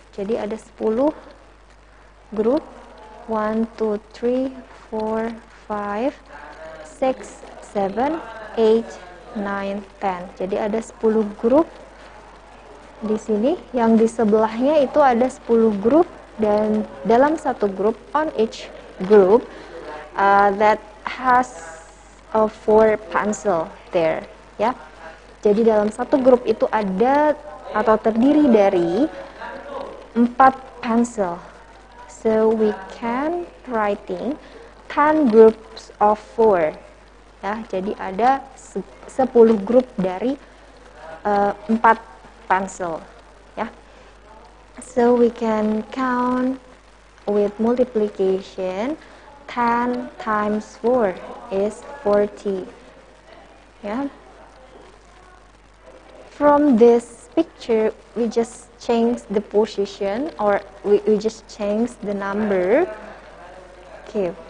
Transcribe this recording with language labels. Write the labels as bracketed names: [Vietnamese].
[Indonesian] Jadi ada 10 group. 1, 2, 3, 4, 5, 6, 7, 8, 9, 10. Jadi ada 10 group di sini. Yang di sebelahnya itu ada 10 group. Dan dalam satu group, [English] on each group, that has a 4 pencil there. Yeah. [Indonesian] Jadi dalam satu grup itu ada atau terdiri dari 4 pencil. [English] So we can writing 10 groups of 4. [Indonesian] Ya, jadi ada 10 grup dari 4 pencil. Ya. [English] So we can count with multiplication 10 times 4 is 40. Ya. From this picture, we just change the position or we just change the number. Okay.